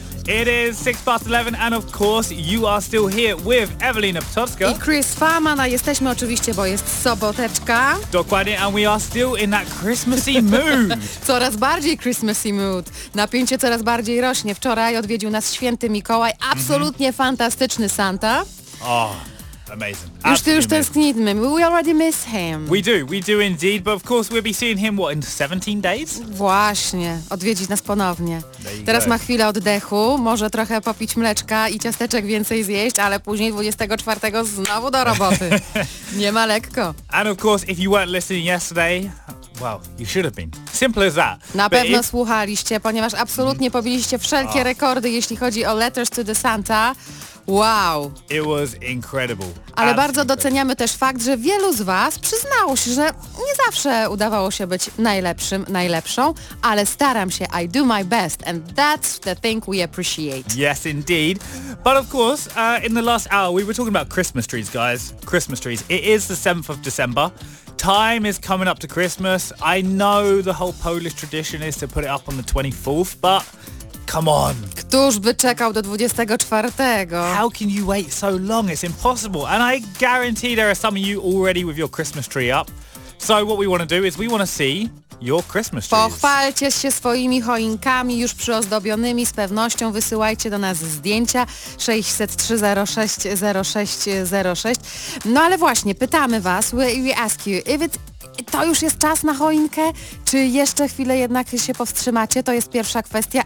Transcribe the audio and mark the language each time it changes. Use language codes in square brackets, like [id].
[en] It is 6 past 11, and of course you are still here with Evelina Potocka. [pl] I Chris Farman, a jesteśmy oczywiście, bo jest soboteczka. Dokładnie, [en] and we are still in that Christmassy mood. [pl] Coraz bardziej [en] Christmassy mood. [pl] Napięcie coraz bardziej rośnie. Wczoraj odwiedził nas święty Mikołaj, absolutnie fantastyczny Santa. [en] Oh. Amazing. We already miss him. We do indeed, but of course we'll be seeing him, what, in 17 days? [pl] Właśnie, odwiedzić nas ponownie. Teraz ma chwilę oddechu, może trochę popić mleczka i ciasteczek więcej zjeść, ale później 24 znowu do roboty. Nie ma lekko. [en] And of course, if you weren't listening yesterday, well, you should have been. Simple as that. [pl] Na pewno słuchaliście, ponieważ absolutnie pobiliście wszelkie rekordy, jeśli chodzi o [en] Letters to the Santa. Wow. It was incredible. [pl] Ale [en] absolutely. [pl] Bardzo doceniamy też fakt, że wielu z Was przyznało się, że nie zawsze udawało się być najlepszym, najlepszą, ale staram się, [en] I do my best, and that's the thing we appreciate. Yes, indeed. But of course, in the last hour, we were talking about Christmas trees, guys. Christmas trees. It is the 7th of December. Time is coming up to Christmas. I know the whole Polish tradition is to put it up on the 24th, but... Come on. [pl] Któż by czekał do 24? [en] How can you wait so long? It's impossible. And I guarantee there are some of you already with your Christmas tree up. So what we want to do is we want to see your Christmas trees. [pl] Pochwalcie się swoimi choinkami już przyozdobionymi. Z pewnością wysyłajcie do nas zdjęcia 603-06-06-06. No ale właśnie, pytamy Was, [en] we ask you, if it's... [pl] To już jest czas na choinkę? Czy jeszcze chwilę jednak się powstrzymacie? To jest pierwsza kwestia.